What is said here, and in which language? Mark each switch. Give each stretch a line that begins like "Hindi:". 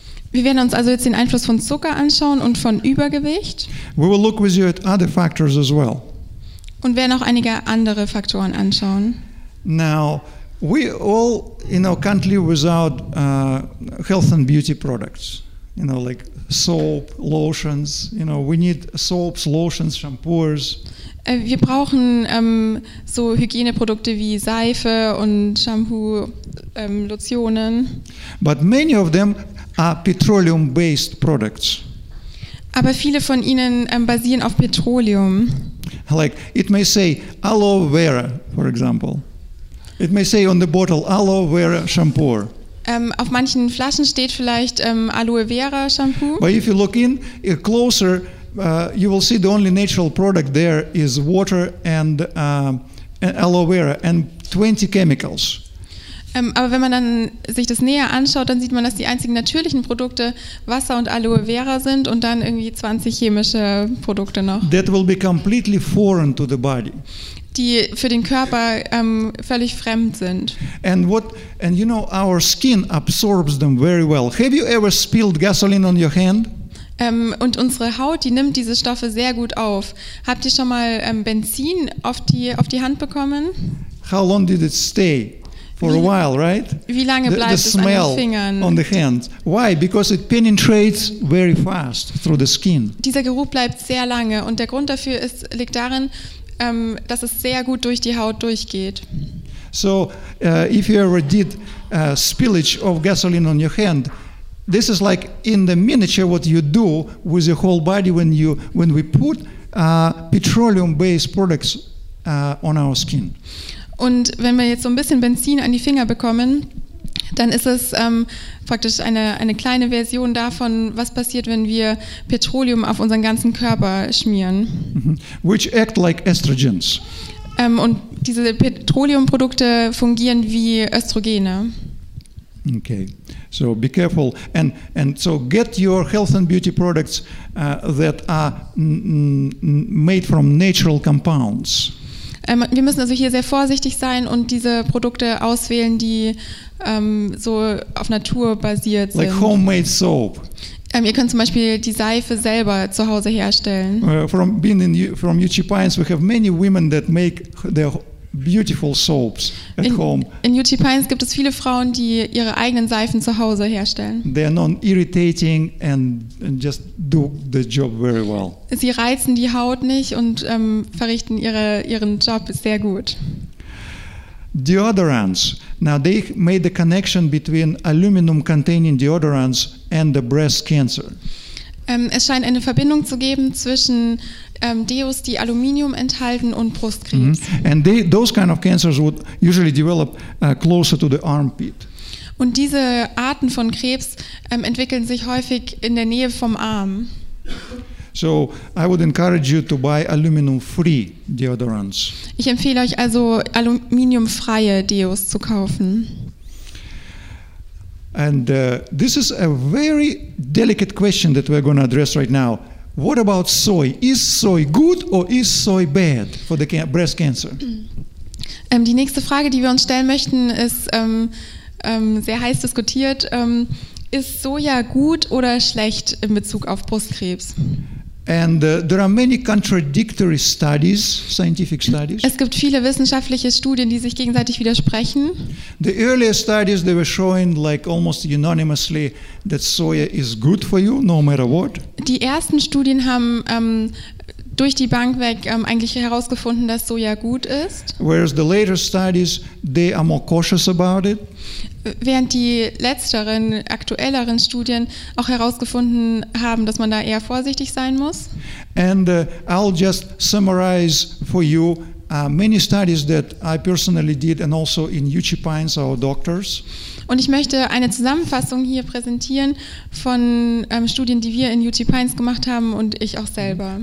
German: Wir werden uns also jetzt den Einfluss von Zucker anschauen und von Übergewicht.
English: We will look with you at other factors as well.
German: Und werden auch einige andere Faktoren anschauen.
English: Now, we all in our country without health and beauty products. You know, like soap, lotions, you know, we need soaps, lotions, shampoos.
German: Wir brauchen so Hygieneprodukte wie Seife und Shampoo, Lotionen.
English: But many of them are petroleum-based products.
German: Aber viele von ihnen basieren auf Petroleum.
English: Like it may say aloe vera, for example. It may say on the bottle aloe vera shampoo.
German: Auf manchen Flaschen steht vielleicht Aloe Vera Shampoo.
English: But if you look in closer, you will see the only natural product there is water and aloe vera and 20 chemicals.
German: Aber wenn man dann sich das näher anschaut, dann sieht man, dass die einzigen natürlichen Produkte Wasser und Aloe Vera sind und dann irgendwie 20 chemische Produkte noch.
English: That will be completely foreign to the body.
German: Die für den Körper völlig fremd sind.
English: And you know, our skin absorbs them very well. Have you ever spilled gasoline on your hand?
German: Und unsere Haut, die nimmt diese Stoffe sehr gut auf. Habt ihr schon mal Benzin auf die Hand bekommen?
English: How long did it stay? For a while, right?
German: Wie lange bleibt
English: the smell
German: es an den Fingern?
English: On the hand. Why? Because it penetrates very fast through the skin.
German: Dieser Geruch bleibt sehr lange und der Grund dafür liegt darin, dass es sehr gut durch die Haut durchgeht.
English: So, if you ever did spillage of gasoline on your hand, this is like in the miniature what you do with your whole body when we put petroleum-based products on our skin.
German: Und wenn wir jetzt so ein bisschen Benzin an die Finger bekommen, dann ist es praktisch eine kleine Version davon, was passiert, wenn wir Petroleum auf unseren ganzen Körper schmieren.
English: Which act like estrogens.
German: Und diese Petroleumprodukte fungieren wie Östrogene.
English: Okay, so be careful. And so get your health and beauty products that are made from natural compounds.
German: Wir müssen also hier sehr vorsichtig sein und diese Produkte auswählen, die so auf Natur basiert sind.
English: Like homemade soap.
German: Ihr könnt zum Beispiel die Seife selber zu Hause herstellen.
English: From Uchi Pines, we have many women that make their beautiful soaps at home.
German: In UT Pines gibt es viele Frauen, die ihre eigenen Seifen zu Hause herstellen.
English: They are non-irritating and just do the job very well.
German: Sie reizen die Haut nicht und verrichten ihren Job sehr gut.
English: Deodorants. Now they made the connection between aluminum-containing deodorants and the breast cancer.
German: Es scheint eine Verbindung zu geben zwischen Deos, die Aluminium enthalten, und Brustkrebs. Mm-hmm.
English: And they, those kind of cancers would usually develop closer to the armpit.
German: Und diese Arten von Krebs entwickeln sich häufig in der Nähe vom Arm.
English: So I would encourage you to buy aluminum-free deodorants.
German: Ich empfehle euch also, aluminiumfreie Deos zu kaufen.
English: And this is a very delicate question that we're going to address right now. What about soy? Is soy good or is soy bad for the breast cancer?
German: Die nächste Frage, die wir uns stellen möchten, ist sehr heiß diskutiert. Ist Soja gut oder schlecht in Bezug auf Brustkrebs?
English: And there are many contradictory studies, scientific studies.
German: Es gibt viele wissenschaftliche Studien, die sich gegenseitig widersprechen.
English: The earlier studies, they were showing like almost unanimously that soya is good for you, no matter what.
German: Die ersten Studien haben durch die Bank weg eigentlich herausgefunden, dass Soja gut ist.
English: Whereas the later studies, they are more cautious about it.
German: Während die letzteren, aktuelleren Studien auch herausgefunden haben, dass man da eher vorsichtig sein muss.
English: And I'll just summarize for you many studies that I personally did and also in UT Pines, our doctors.
German: Und ich möchte eine Zusammenfassung hier präsentieren von Studien, die wir in UT Pines gemacht haben und ich auch selber.